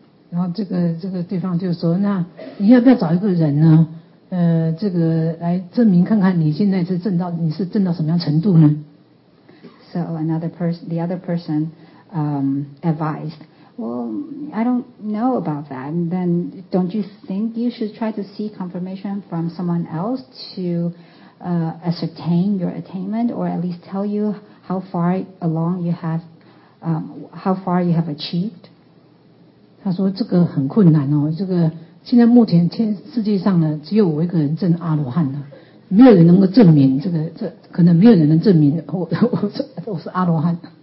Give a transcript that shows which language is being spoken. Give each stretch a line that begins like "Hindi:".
Chinese: 然后这个对方就说，那你要不要找一个人呢？这个来证明看看你现在是证到你是证到什么样程度呢
English: ？So another person, the other person, advised. Well, I don't know about that. Then don't you think you should try to see confirmation from someone else to ascertain your attainment, or at least tell you how far along you have? How far you have achieved?
Chinese: 他说这个很困难哦，这个现在目前世界上呢，只有我一个人证阿罗汉了，没有人能够证明这个，这可能没有人能证明我是阿罗汉。